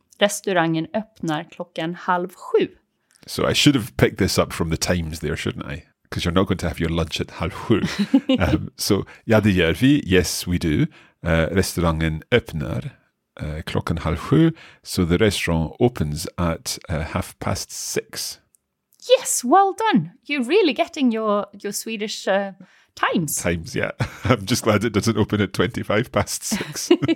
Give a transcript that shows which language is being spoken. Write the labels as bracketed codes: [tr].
[sv] Restaurangen öppnar klockan 6:30. [en] So, I should have picked this up from the times there, shouldn't I? because you're not going to have your lunch at [sv] halv sju. [en] So, [sv] ja, det gör vi. [en] Yes, we do. [sv] Restaurangen öppnar klockan halv sju. [en] So the restaurant opens at half past six. Yes, well done. You're really getting your Swedish times. Times, yeah. I'm just glad it doesn't open at 25 past six.